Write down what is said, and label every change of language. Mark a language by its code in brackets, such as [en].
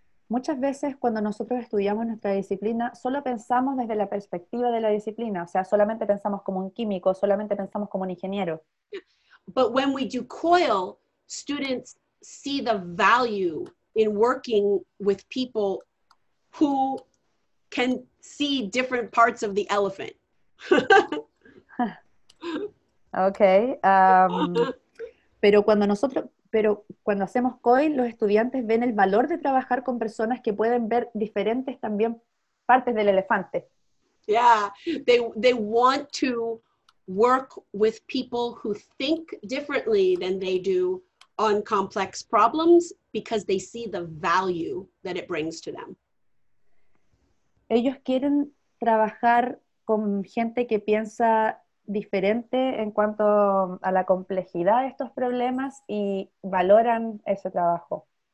[es] Muchas veces cuando nosotros estudiamos nuestra disciplina, solo pensamos desde la perspectiva de la disciplina, o sea, solamente pensamos como un químico, solamente pensamos como un ingeniero. [en] But when we do COIL, students see the value in working with people who can see different parts of the elephant. Okay. [es] Pero cuando hacemos COIL, los estudiantes ven el valor de trabajar con personas que pueden ver diferentes también partes del elefante. [en] Yeah, they want to work with people who think differently than they do on complex problems because they see the value that it brings to them. [es] Ellos quieren trabajar con gente que piensa diferente en cuanto a la complejidad de estos problemas y valoran ese trabajo.